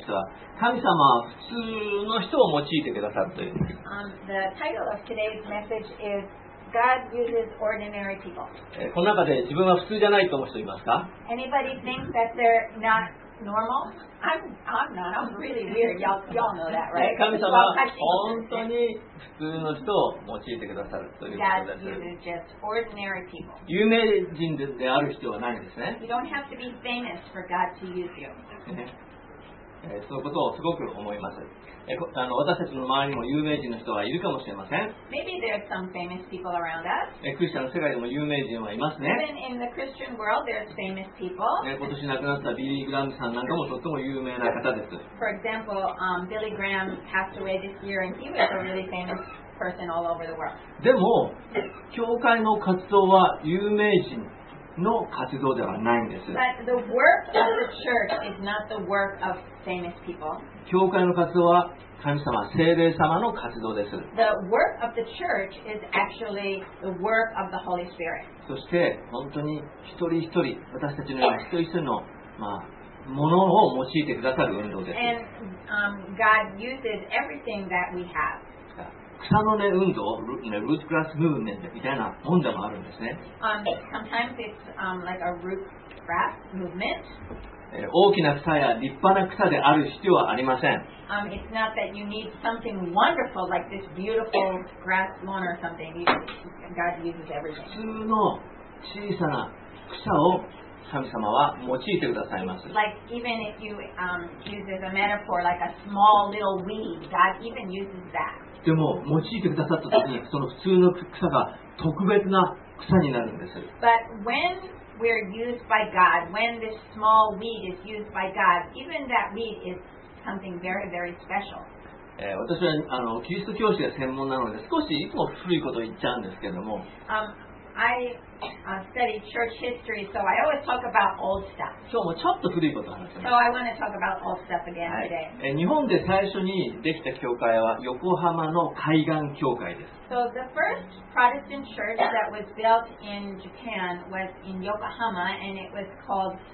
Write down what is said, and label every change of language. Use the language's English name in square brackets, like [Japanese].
[Japanese] か、神様は普通の人を用いてくださるという。 [English] The title of today's message is God uses ordinary people. [Japanese] この中で自分は普通じゃないと思う人いますか？ [English] Anybody think that they're not normal? I'm not. I'm really weird. Y'all know that, right? [Japanese] 神様は本当に普通の人を用いてくださるということです。 [English] God uses just ordinary people. [Japanese] 有名人である人はないんですね。 [English] You don't have to be famous for God to use you. [Japanese] そのことをすごく思います。あの、私たちの周りにも有名人の人はいるかもしれません。 [English] Maybe there's some famous people around us. [Japanese] クリスチャンの世界でも有名人はいますね。 [English] Even in the Christian world, there's famous people. [Japanese] 今年亡くなったビリー・グラムさんなんかもとっても有名な方です。 [English] For example, Billy Graham passed away this year and he was a really famous person all over the world. [Japanese] でも教会の活動は有名人の活動ではないんです。 [English] But the work of the church is not the work of famous people. [Japanese] 教会の活動は神様、聖霊様の活動です。 [English] The work of the church is actually the work of the Holy Spirit. [Japanese] そして本当に一人一人、私たちのような一人一人の、まあ、ものを用いてくださる運動です。 [English] And、God uses everything that we have. [Japanese] 草の根運動、ルーツグラスムーブメントみたいなもんでもあるんですね。 [English] Sometimes it's like a root grass movement. [Japanese] 大きな草や立派な草である必要はありません。 [English] It's not that you need something wonderful like this beautiful grass lawn or something. God uses everything. [Japanese] 普通の小さな草を神様は用いてくださいます。 [English] Like even if you use a metaphor like a small little weed, God even uses that. [Japanese] でも用いてくださった時にその普通の草が特別な草になるんです。 [English] But when we're used by God, when this small weed is used by God, even that weed is something very, very special. [Japanese] 私はあのキリスト教師が専門なので少しいつも古いことを言っちゃうんですけども。 [English] I study church history, so I always talk about old stuff. [Japanese] 今日もちょっと古いことを話します。 [English] So I want to talk about old stuff again today. [Japanese] 日本で最初にできた教会は横浜の海岸教会です。 [English] So the first Protestant church that was built in Japan was in Yokohama, and it was called